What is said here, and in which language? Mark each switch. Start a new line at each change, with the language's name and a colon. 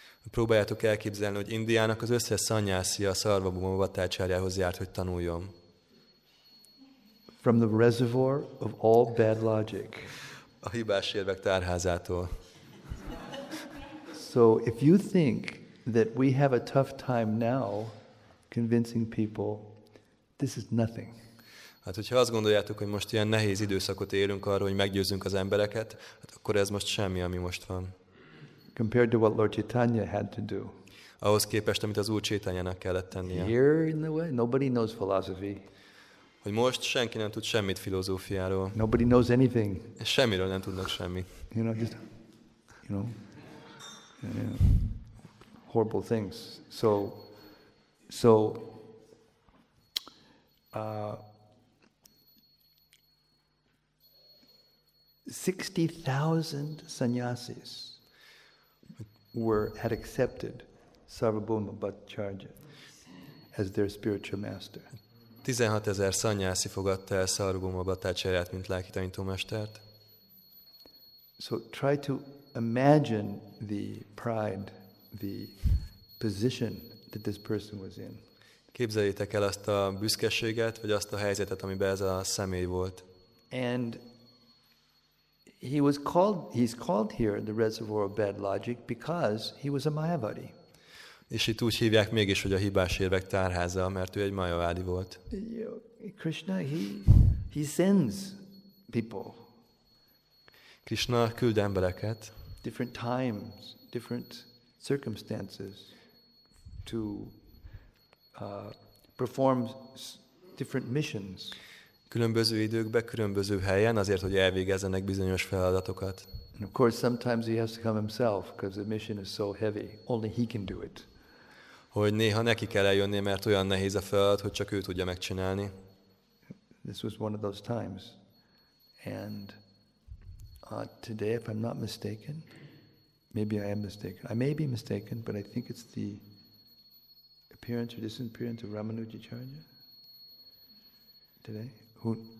Hungarian: Próbáljátok elképzelni, hogy Indiának az összes szanyászia Sarvabhauma Bhattacharyához járt, hogy tanuljon.
English: From the reservoir of all bad logic.
Hungarian: A hibás érvek tárházától.
English: So if you think that we have a tough time now convincing people, this is nothing.
Hungarian: Hát hogyha azt gondoljátok, hogy most ilyen nehéz időszakot élünk arra, hogy meggyőzzünk az embereket, hát akkor ez most semmi, ami most van.
English: Compared to what Lord Chaitanya had to do.
Hungarian: Ahhoz képest, amit az Úr Chaitanyának kellett tennie.
English: Here in the way, nobody knows philosophy.
Hungarian: Hogy most senki nem tud semmit filozófiáról.
English: Nobody knows anything.
Hungarian: Semmiről nem tudnak semmit.
English: You know, just, you know, yeah, horrible things. So, 60,000 sannyasis had accepted Sarvabhauma Bhattacharya as their spiritual master.
Hungarian: 16,000 szanyászi fogadta el Sarvabhauma Bhattacharyát, mint lelki tanítómestert.
English: So try to imagine the pride, the position that this person was in.
Hungarian: Képzeljétek el azt a büszkeséget, vagy azt a helyzetet, amiben ez a személy volt.
English: And he was called, he's called here the reservoir of bad logic because he was a Mayavadi.
Hungarian: És itt úgy hívják mégis, hogy a hibás érvek tárháza, mert ő egy Mayavadi volt.
English: Krishna, he sends people.
Hungarian: Krishna küld embereket.
English: Different times, different circumstances to perform different missions.
Hungarian: Különböző időkben, különböző helyen, azért, hogy elvégezzenek bizonyos feladatokat.
English: And of course, sometimes he has to come himself, because the mission is so heavy. Only he can do it.
Hungarian: Hogy néha neki kell eljönni, mert olyan nehéz a feladat, hogy csak ő tudja megcsinálni.
English: This was one of those times. And today, if I'm not mistaken, maybe I am mistaken. I may be mistaken, but I think it's the appearance or disappearance of Ramanujacharya. Today? Who?